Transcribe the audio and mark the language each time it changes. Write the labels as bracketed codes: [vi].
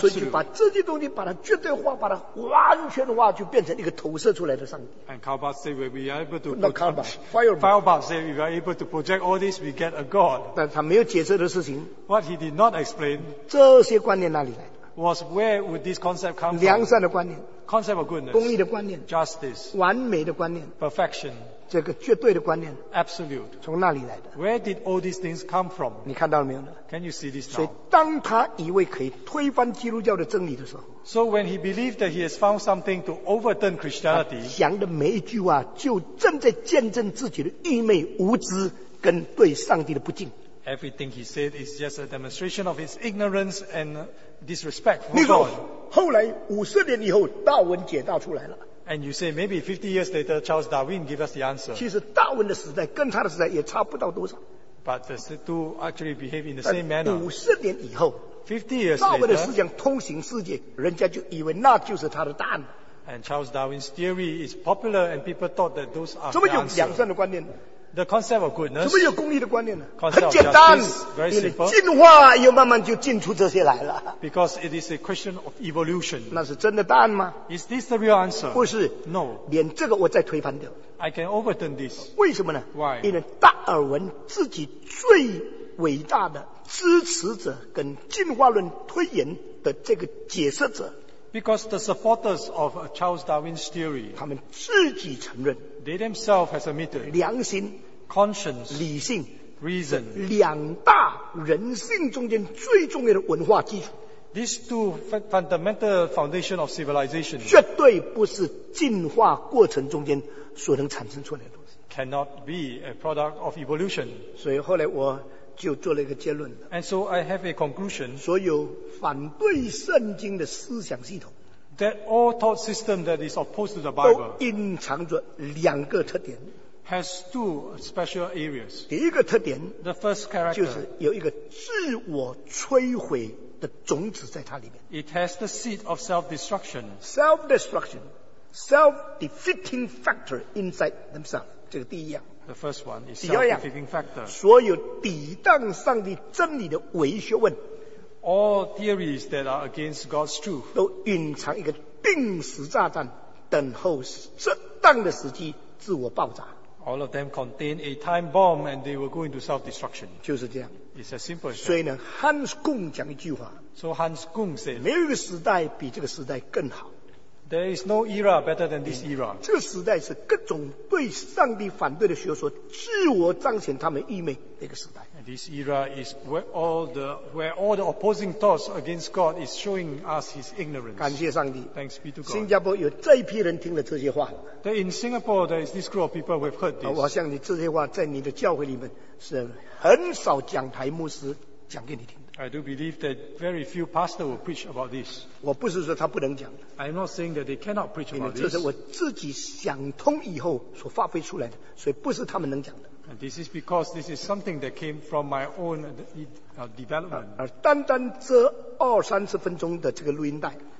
[zh] 所以就把这些东西把它绝对化，把它完全化，就变成一个投射出来的上帝。 [en] And Feuerbach said we are able to. Not Feuerbach. Feuerbach. Feuerbach said we are able to project all this, we get a God. [zh] 但他没有解释的事情。 [en] What he did. Not explain, [zh] 这些观念哪里来的 [en] ？Was where would this concept come from? [zh] 良善的观念 [en] ，concept of goodness， [zh] 公义的观念 [en] ，justice， [zh] 完美的观念 [en] ，perfection， [zh] 这个绝对的观念 [en] ，absolute， [zh] 从哪里来的 [en] ？Where did all these things come from? [zh] 你看到了没有呢 [en] ？Can you see this now? [zh] 所以当他以为可以推翻基督教的真理的时候 [en] ，So when he believed that he has found something to overturn Christianity， [zh] 讲的每一句话就正在见证自己的愚昧无知跟对上帝的不敬。 [en] Everything he said is just a demonstration of his ignorance and disrespect for God. [zh] 后来五十年以后，达尔文解答出来了。 [en] And you say maybe 50 years later, Charles Darwin gave us the answer. [zh] 其实达尔文的时代跟他的时代也差不到多少。 [en] But the two actually behave in the same manner. [zh] 五十年以后 [en] ，50 years later, [zh] 达尔文的思想通行世界，人家就以为那就是他的答案。 [en] And Charles Darwin's theory is popular, and people thought that those are the answer. [zh] 怎么有良善的观念？ [en] The concept of goodness. [zh] 怎么有公义的观念呢？ [en] Concept [zh] 很简单， [en] justice, very simple. [zh] 进化又慢慢就进出这些来了。 [en] Because it is a question of evolution. [zh] 那是真的答案吗？ [en] Is this the real answer? [zh] 不是。 [en] No. [zh] 连这个我再推翻掉。 [en] I can overturn this. [zh] 为什么呢？ [en] Why? [zh] 因为达尔文自己最伟大的支持者跟进化论推演的这个解释者。 [en] Because the supporters of Charles Darwin's theory, [zh] 他们自己承认， [en] they themselves have admitted, [zh] 良心， [en] conscience, [zh] 理性， [en] reason, [zh] 两大人性中间最重要的文化基础， [en] these two fundamental foundation of civilization, [zh] 绝对不是进化过程中间所能产生出来的东西， [en] cannot be a product of evolution. [zh] 所以后来我就做了一个结论。 [en] And so I have a conclusion. [zh] 所有反对圣经的思想系统， [en] that all thought system that is opposed to the Bible, [zh] 都隐藏着两个特点。 [en] Has two special areas. [zh] 第一个特点， [en] the first character, [zh] 就是有一个自我摧毁的种子在它里面。 [en] It has the seed of self-destruction. Self-destruction, self-defeating factor inside themselves. [zh] 这个第一样。 [en] The first one is self-defeating factor. [zh] 所有抵挡上帝真理的伪学问， [en] All theories that are against God's truth, [zh] 都隐藏一个定时炸弹，等候适当的时机自我爆炸。 [en] All of them contain a time bomb and they will go into self-destruction. [zh] 就是这样。 [en] It's as simple as that. [zh] 所以呢， Hans Kung 讲一句话， [en] So Hans Kung said, [zh] 没有一个时代比这个时代更好。 [en] There is no era better than this era. [zh] 这个时代是各种对上帝反对的学说自我彰显他们愚昧的一个时代。 [en] And this era is where all the opposing thoughts against God is showing us his ignorance. [zh] 感谢上帝。 [en] Thanks be to God. [zh] 新加坡有这一批人听了这些话。 [en] That in Singapore there is this group of people who have heard this. [zh] 我想你这些话在你的教会里面是很少讲台牧师讲给你听。 [en] I do believe that very few pastors will preach about this. [zh] 我不是说他不能讲。 [en] I'm not saying that they cannot preach about this. [zh] 这是我自己想通以后所发挥出来的，所以不是他们能讲的。 [en] And this is because this is something that came from my own development. [zh] 而单单这二三十分钟的这个录音带，